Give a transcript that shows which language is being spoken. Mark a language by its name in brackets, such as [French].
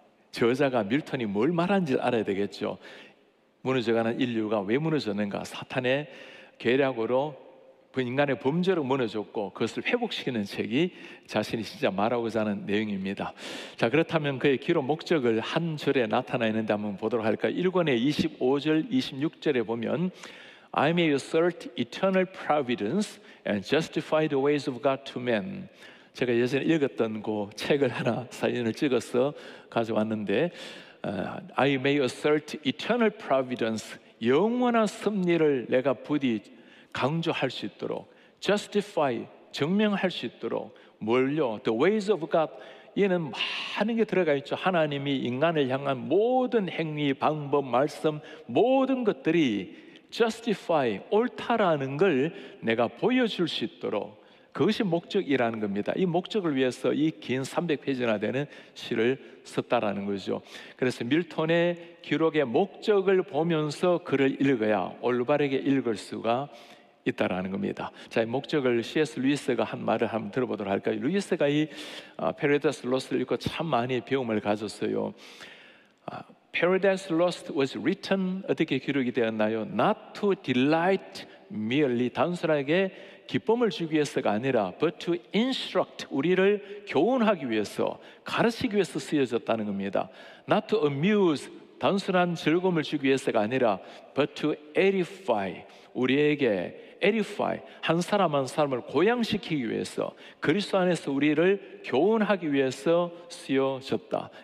[Korean] 저자가 밀턴이 뭘 말하는지를 알아야 되겠죠. 무너져가는 인류가 왜 무너졌는가? 사탄의 계략으로 인간의 범죄로 무너졌고 그것을 회복시키는 책이 자신이 진짜 말하고자 하는 내용입니다. 자, 그렇다면 그의 기록 목적을 한 절에 나타나 있는데 한번 보도록 할까요? 1권의 25절 26절에 보면 [English] I may assert eternal providence and justify the ways of God to men. [Korean] 제가 예전에 읽었던 그 책을 하나 사진을 찍어서 가져왔는데 [English] I may assert eternal providence, [Korean] 영원한 섭리를 내가 부디 강조할 수 있도록 justify, 증명할 수 있도록 뭘요? [English] The ways of God, [Korean] 얘는 많은 게 들어가 있죠. 하나님이 인간을 향한 모든 행위, 방법, 말씀, 모든 것들이 justify, 옳다라는 걸 내가 보여줄 수 있도록 그것이 목적이라는 겁니다. 이 목적을 위해서 이 긴 300페이지나 되는 시를 썼다라는 거죠. 그래서 밀턴의 기록의 목적을 보면서 글을 읽어야 올바르게 읽을 수가 있다라는 겁니다. 자, 이 목적을 C.S. 루이스가 한 말을 한번 들어보도록 할까요? 루이스가 이 Paradise Lost를 읽고 참 많이 배움을 가졌어요. [English] Paradise Lost was written, [Korean] 어떻게 기록이 되었나요? [English] Not to delight merely, [Korean] 단순하게 기쁨을 주기 위해서가 아니라 [English] but to instruct, [Korean] 우리를 교훈하기 위해서, 가르치기 위해서 쓰여졌다는 겁니다. [English] Not to amuse, [Korean] 단순한 즐거움을 주기 위해서가 아니라 [English] but to edify, [Korean] 우리에게 edify, 한 사람 한 사람을 고양시키기 위해서, 그리스도 안에서 우리를 교훈하기 위해서 쓰여졌다.